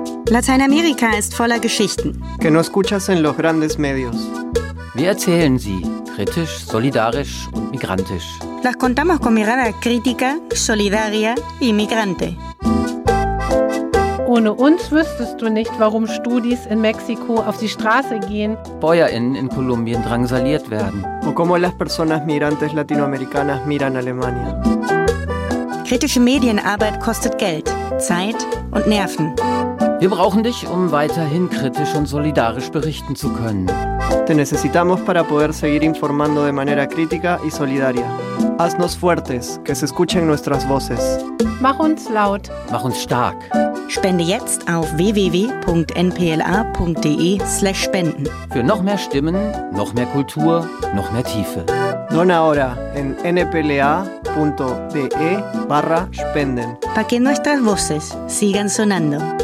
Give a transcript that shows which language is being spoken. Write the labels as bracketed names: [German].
[German] Lateinamerika ist voller Geschichten. [Spanish] Que no escuchas en los grandes medios. [German] Wir erzählen sie kritisch, solidarisch und migrantisch. [Spanish] Las contamos con mirada crítica, solidaria y migrante. [German] Ohne uns wüsstest du nicht, warum Studis in Mexiko auf die Straße gehen. BäuerInnen in Kolumbien drangsaliert werden. [Spanish] O como las personas migrantes latinoamericanas miran Alemania. [German] Kritische Medienarbeit kostet Geld, Zeit und Nerven. Wir brauchen dich, um weiterhin kritisch und solidarisch berichten zu können. [Spanish] Te necesitamos para poder seguir informando de manera crítica y solidaria. Haznos fuertes, que se escuchen nuestras voces. [German] Mach uns laut. Mach uns stark. Spende jetzt auf www.npla.de/spenden. Für noch mehr Stimmen, noch mehr Kultur, noch mehr Tiefe. [Spanish] Dona ahora en npla.de/spenden. Pa que nuestras voces sigan sonando.